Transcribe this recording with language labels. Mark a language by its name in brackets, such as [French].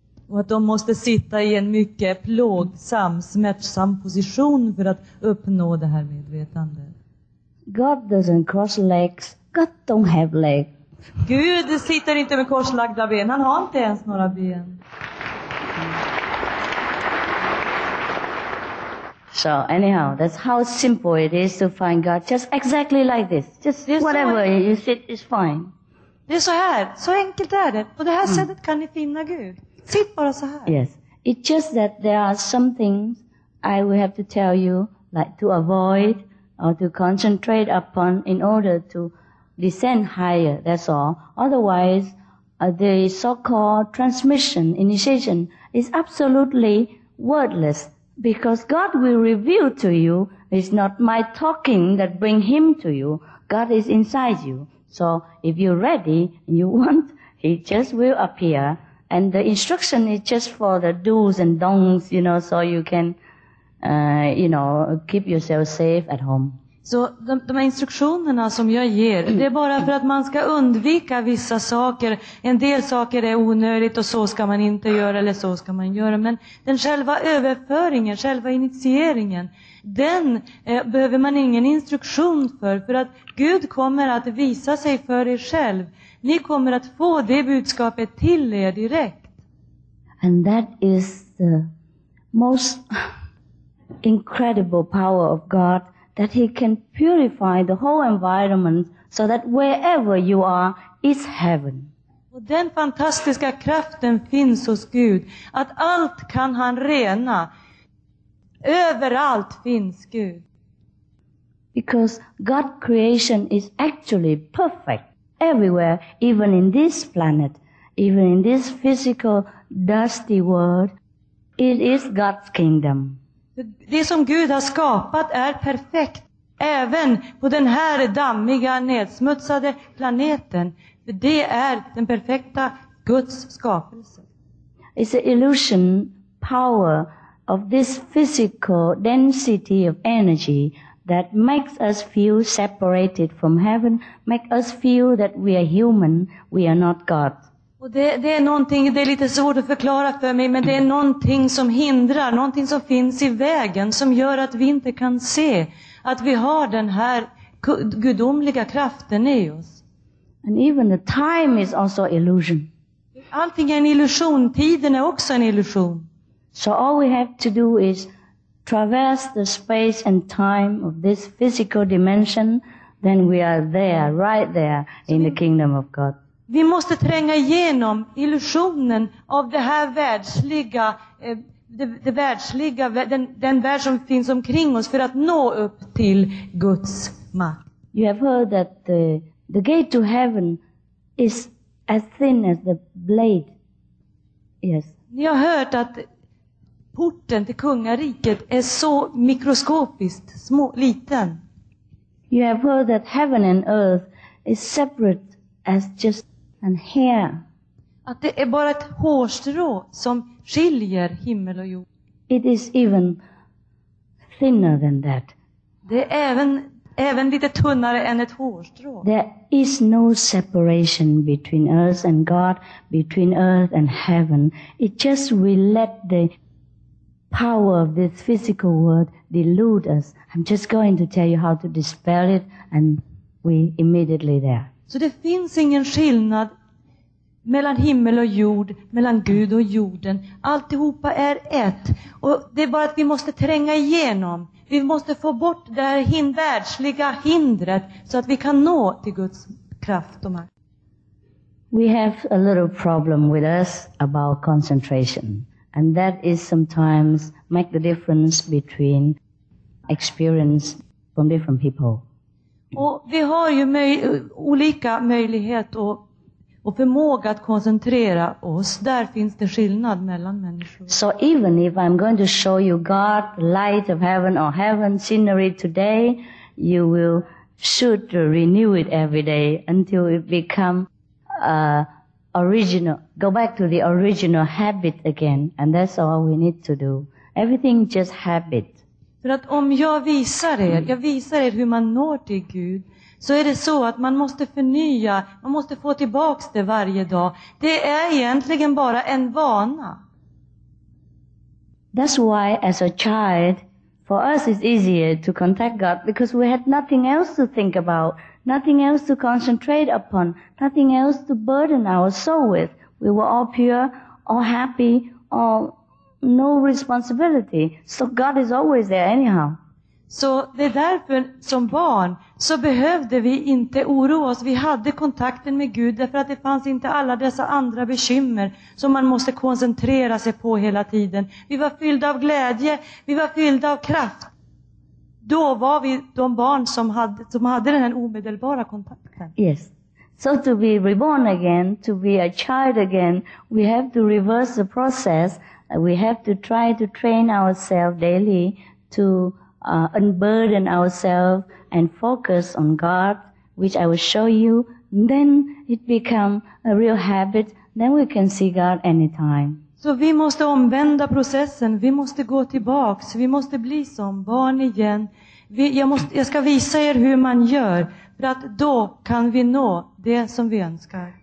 [Swedish] Och att de måste sitta i en mycket plågsam, smärtsam position för att uppnå det här medvetandet. [English] God doesn't cross legs. God don't have legs. [Swedish] Gud sitter inte med korslagda ben. Han har inte ens några ben. [English] So anyhow, that's how simple it is to find God. Just exactly like this. Just [Swedish] det [English] whatever så you sit is fine. [Swedish] Det är så här. Så enkelt är det. På det här sättet kan ni finna Gud. Sitt bara så här. [English] Yes. It's just that there are some things I will have to tell you, like to avoid or to concentrate upon in order to descend higher. That's all. Otherwise, the so-called transmission, initiation, is absolutely wordless. Because God will reveal to you, it's not my talking that bring him to you. God is inside you. So if you're ready, you want, he just will appear. And the instruction is just for the do's and don'ts, you know, so you can, you know, keep yourself safe at home. [Swedish] Så de här instruktionerna som jag ger, det är bara för att man ska undvika vissa saker. En del saker är onödigt och så ska man inte göra eller så ska man göra. Men den själva överföringen, själva initieringen, den behöver man ingen instruktion för att Gud kommer att visa sig för er själv. Ni kommer att få det budskapet till er direkt. [English] And that is the most incredible power of God. That he can purify the whole environment so that wherever you are is heaven. [Swedish] Och den fantastiska kraften finns hos Gud. Att allt kan han rena. Överallt finns Gud. [English] Because God's creation is actually perfect everywhere, even in this planet, even in this physical dusty world. It is God's kingdom. [Swedish] Det som Gud har skapat är perfekt även på den här dammiga, nedsmutsade planeten. Det är den perfekta Guds skapelse. [English] It's an illusion power of this physical density of energy that makes us feel separated from heaven, make us feel that we are human, we are not God. [Swedish] Och det är någonting, det är lite svårt att förklara för mig, men det är någonting som hindrar, någonting som finns i vägen, som gör att vi inte kan se att vi har den här gudomliga kraften i oss. [English] And even the time is also illusion. [Swedish] Allting är en illusion, tiden är också en illusion. [English] So all we have to do is traverse the space and time of this physical dimension, then we are there, right there in the kingdom of God. [Swedish] Vi måste tränga igenom illusionen av det här världsliga, det världsliga, den värld som finns omkring oss för att nå upp till Guds makt. [English] You have heard that the The gate to heaven is as thin as the blade. Yes. [Swedish] Ni har hört att porten till kungariket är så mikroskopiskt, små, liten. [English] You have heard that heaven and earth is separate as just a hair. [Swedish] Att det är bara ett hårstrå som skiljer himmel och jord. [English] It is even thinner than that. [Swedish] Det är även lite tunnare än ett hårstrå. [English] There is no separation between us and God, between earth and heaven. It just we let the power of this physical world delude us. I'm just going to tell you how to dispel it, and we immediately there. [Swedish] Så det finns ingen skillnad mellan himmel och jord, mellan Gud och jorden. Alltihopa är ett. Och det är bara att vi måste tränga igenom. Vi måste få bort det här världsliga hindret så att vi kan nå till Guds kraft och makt. [English] We have a little problem with us about concentration. And that is sometimes make the difference between experience from different people. [Swedish] Och vi har ju olika möjlighet och förmåga att koncentrera oss. Där finns det skillnad mellan människor. [English] So even if I'm going to show you God, light of heaven or heaven scenery today, you will should renew it every day until it become original, go back to the original habit again, and that's all we need to do. Everything just habit. [Swedish] För att om jag visar er hur man når till Gud, så är det så att man måste förnya, man måste få tillbaks det varje dag. Det är egentligen bara en vana. [English] That's why as a child, for us it's easier to contact God, because we had nothing else to think about, nothing else to concentrate upon, nothing else to burden our soul with. We were all pure, all happy, all no responsibility. So God is always there anyhow. [Swedish] Så det är därför som barn så behövde vi inte oroa oss. Vi hade kontakten med Gud därför att det fanns inte alla dessa andra bekymmer som man måste koncentrera sig på hela tiden. Vi var fyllda av glädje, vi var fyllda av kraft. Då var vi de barn som hade den här omedelbara kontakten. [English] Yes. So to be reborn again, to be a child again, we have to reverse the process. We have to try to train ourselves daily to unburden ourselves and focus on God, which I will show you. Then it become a real habit. Then we can see God anytime. [Swedish] Så vi måste omvända processen. Vi måste gå tillbaks. Vi måste bli som barn igen. Jag ska visa er hur man gör, för att då kan vi nå det som vi önskar.